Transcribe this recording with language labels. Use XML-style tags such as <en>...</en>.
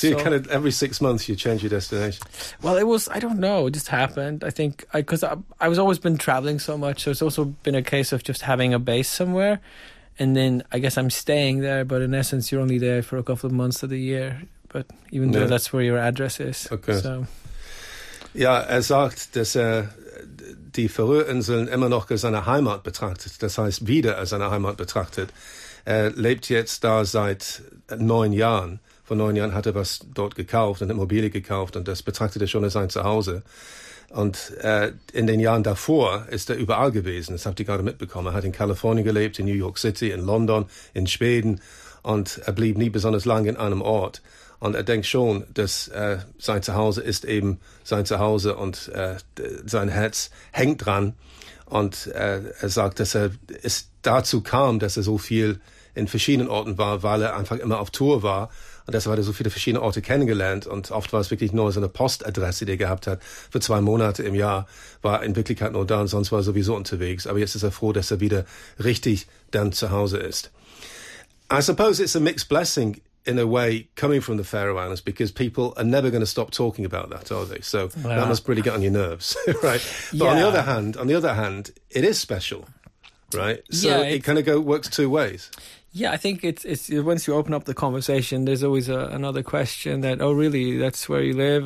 <en>So you kind of, every 6 months, you change your destination. Well, it was, I don't know, it just happened. I think, because I was always been traveling so much, so it's also been a case of just having a base somewhere. And then, I guess I'm staying there, but in essence, you're only there for a couple of months of the year. But even though that's where your address is. Okay. So.</en> <de>Ja, er sagt, dass er die Faroe-Inseln immer noch als seine Heimat betrachtet, das heißt wieder als seine Heimat betrachtet. Er lebt jetzt da seit 9 Jahren. Vor 9 Jahren hat er was dort gekauft, eine Immobilie gekauft und das betrachtet er schon als sein Zuhause. Und in den Jahren davor ist er überall gewesen, das habt ihr gerade mitbekommen. Er hat in Kalifornien gelebt, in New York City, in London, in Schweden und er blieb nie besonders lange in einem Ort. Und er denkt schon, dass sein Zuhause ist eben sein Zuhause und sein Herz hängt dran. Und er sagt, dass er es dazu kam, dass er so viel in verschiedenen Orten war, weil er einfach immer auf Tour war. Und deshalb hat er so viele verschiedene Orte kennengelernt. Und oft war es wirklich nur seine Postadresse, die er gehabt hat. Für 2 Monate im Jahr war er in Wirklichkeit nur da und sonst war er sowieso unterwegs. Aber jetzt ist er froh, dass er wieder richtig dann zu Hause ist.</de> <en>I suppose it's a mixed blessing. In a way, coming from the Faroe Islands, because people are never going to stop talking about that, are they? So that must really get on your nerves, right? But yeah. on the other hand, it is special, right? So yeah, it kind of works two ways. Yeah, I think it's once you open up the conversation, there's always another question that, oh, really, that's where you live?</en>